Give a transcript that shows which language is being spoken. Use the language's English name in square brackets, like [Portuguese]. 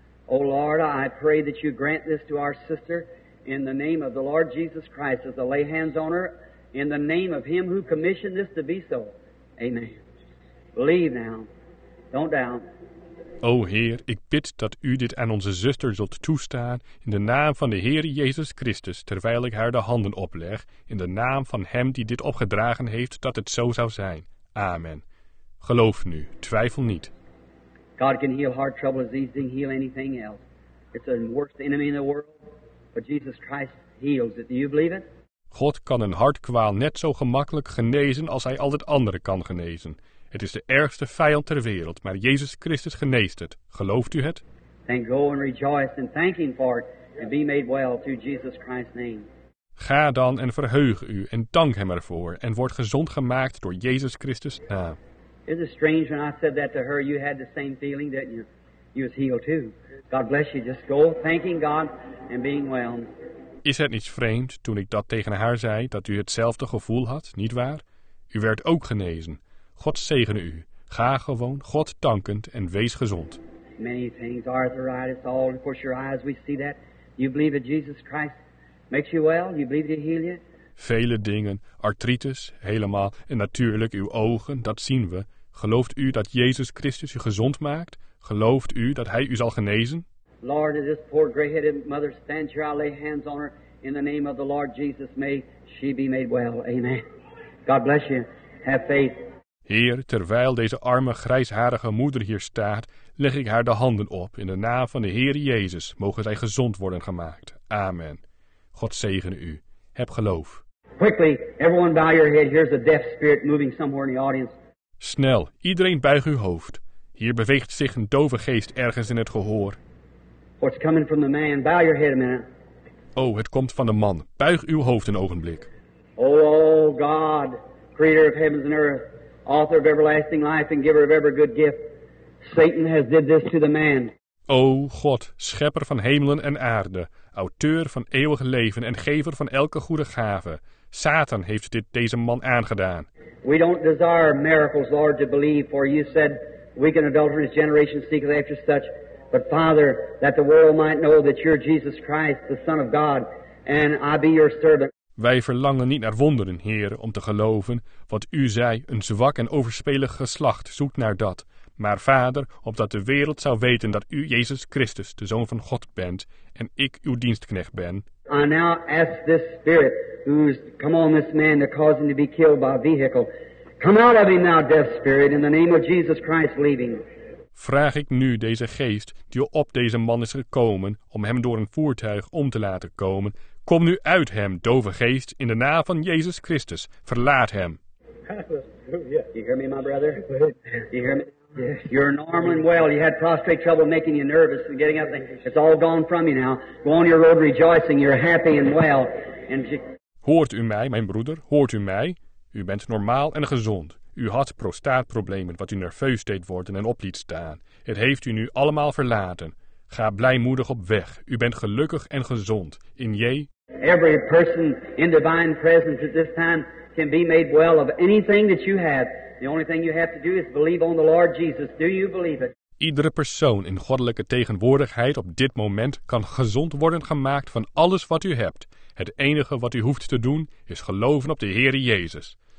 [English] O Lord, I pray that you grant this to our sister in the name of the Lord Jesus Christ as I lay hands on her, in the name of him who commissioned this to be so. Amen. Believe now. Don't doubt. [Dutch] O Heer, ik bid dat u dit aan onze zuster zult toestaan in de naam van de Heer Jezus Christus, terwijl ik haar de handen opleg, in de naam van hem die dit opgedragen heeft, dat het zo zou zijn. Amen. Geloof nu, twijfel niet. [English] God can heal heart trouble as easy as heal anything else. It's the worst enemy in the world, but Jesus Christ heals it. Do you believe it? [Dutch] God kan een hartkwaal net zo gemakkelijk genezen als hij al het andere kan genezen. Het is de ergste vijand ter wereld, maar Jezus Christus geneest het. Gelooft u het? [English] Then go and rejoice and thank him for it and be made well through Jesus Christ's name. [Dutch] Ga dan en verheug u en dank hem ervoor en word gezond gemaakt door Jezus Christus naam. [English] Is it strange when I said that to her, you had the same feeling that you was healed too. God bless you, just go thanking God and being well. [Dutch] Is het niet vreemd toen ik dat tegen haar zei, dat u hetzelfde gevoel had, niet waar? U werd ook genezen. God zegene u. Ga gewoon God dankend en wees gezond. [English] Many things, arthritis, all, of course your eyes, we see that. You believe that Jesus Christ makes you well? You believe that he heals you? [Dutch] Vele dingen, artritis, helemaal, en natuurlijk uw ogen, dat zien we. Gelooft u dat Jezus Christus u gezond maakt? Gelooft u dat hij u zal genezen? [English] Lord, as this poor gray-headed mother stands here, I lay hands on her in the name of the Lord Jesus. May she be made well. Amen. God bless you. Have faith. [Dutch] Heer, terwijl deze arme, grijsharige moeder hier staat, leg ik haar de handen op. In de naam van de Heer Jezus mogen zij gezond worden gemaakt. Amen. God zegene u. Heb geloof. [English] Quickly, everyone bow your head. Here's a deaf spirit moving somewhere in the audience. [Dutch] Snel, iedereen buig uw hoofd. Hier beweegt zich een dove geest ergens in het gehoor. [English] What's coming from the man? Bow your head a minute. [Dutch] Oh, het komt van de man. Buig uw hoofd een ogenblik. [English] Oh, God, creator of heavens and earth, author of everlasting life and giver of every good gift, Satan has did this to the man. [Dutch] Oh, God, schepper van hemelen en aarde, auteur van eeuwig leven en gever van elke goede gave, Satan heeft dit deze man aangedaan. [English] We don't desire miracles, Lord, to believe, for you said, weak and adulterous generation seeketh after such. But Father, that the world might know that you're Jesus Christ, the Son of God, and I be your servant. [Dutch] Wij verlangen niet naar wonderen, Heer, om te geloven. Wat u zei, een zwak en overspelig geslacht zoekt naar dat. Maar Vader, opdat de wereld zou weten dat u Jezus Christus, de Zoon van God, bent, en ik uw dienstknecht ben. [English] I now ask this spirit, who's come on this man to cause him to be killed by a vehicle. Come out of him now, death spirit, in the name of Jesus Christ, leaving. [Dutch] Vraag ik nu deze geest die op deze man is gekomen om hem door een voertuig om te laten komen. Kom nu uit hem, dove geest, in de naam van Jezus Christus. Verlaat hem. [English] You hear me, my brother? You hear me? You're normal and well. You had prostate trouble making you nervous and getting up. It's all gone from you now. Go on your road rejoicing. You're happy and well. And [Dutch] hoort u mij, mijn broeder? Hoort u mij? U bent normaal en gezond. U had prostaatproblemen wat u nerveus deed worden en opliet staan. Het heeft u nu allemaal verlaten. Ga blijmoedig op weg. U bent gelukkig en gezond. In J. [English] Every person in divine presence at this time can be made well of anything that you have. The only thing you have to do is believe on the Lord Jesus. Do you believe it? [Dutch] Iedere persoon in goddelijke tegenwoordigheid op dit moment kan gezond worden gemaakt van alles wat u hebt. Het enige wat u hoeft te doen is geloven op de Heer Jezus.